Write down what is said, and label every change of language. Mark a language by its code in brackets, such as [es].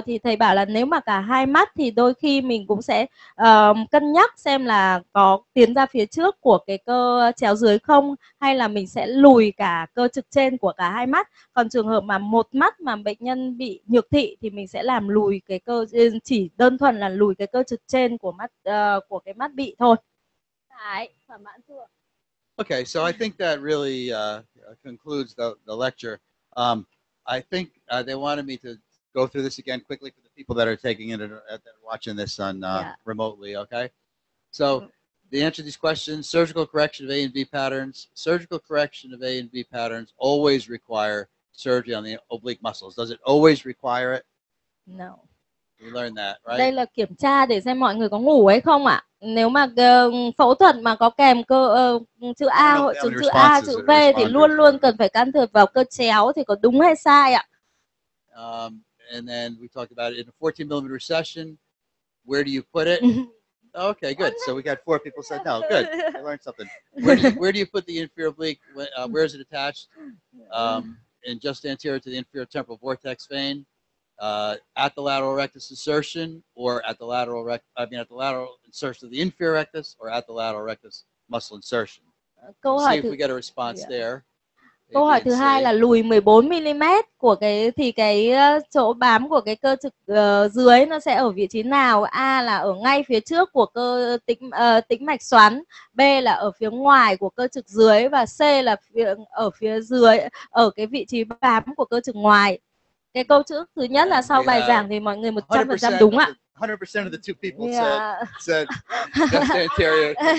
[vi] Thì thầy bảo là nếu mà cả hai mắt thì đôi khi mình cũng sẽ cân nhắc xem là có tiến ra phía trước của cái cơ chéo dưới không, hay là mình sẽ lùi cả cơ trực trên của cả hai mắt. Còn trường hợp mà một mắt mà bệnh nhân bị nhược thị thì mình sẽ làm lùi cái cơ, chỉ đơn thuần là lùi cái cơ trực trên của mắt của cái mắt bị thôi. Đấy, thỏa mãn chưa? [en] Okay, so I think that really concludes the lecture. I think they wanted me to go through this again quickly for the people that are taking it and watching this on remotely, okay? So the answer to these questions, surgical correction of A and B patterns. Surgical correction of A and B patterns always require surgery on the oblique muscles. Does it always require it? No. We learned that, right? [vi] Đây là kiểm tra để xem mọi người có ngủ hay không ạ. Nếu mà phẫu thuật mà có kèm cơ chữ A hoặc chữ A, chữ V thì luôn luôn cần phải can thiệp vào cơ chéo thì có đúng hay sai ạ? [en] And then we talked about it in a 14 millimeter session. Where do you put it? Okay, good. So we got four people said no. Good. I learned something. Where do you put the inferior oblique? Where is it attached? And just anterior to the inferior temporal vortex vein, at the lateral rectus insertion, or at the lateral at the lateral insertion of the inferior rectus, or at the lateral rectus muscle insertion. Let's see if we get a response there. [vi] Câu hỏi thứ hai là lùi 14 mm của cái thì cái chỗ bám của cái cơ trực dưới nó sẽ ở vị trí nào? A là ở ngay phía trước của cơ tĩnh mạch xoắn, B là ở phía ngoài của cơ trực dưới và C là ở phía dưới ở cái vị trí bám của cơ trực ngoài. Cái câu trước thứ nhất là sau bài giảng thì mọi người 100% đúng ạ. [en] 100% of the two people said just anterior.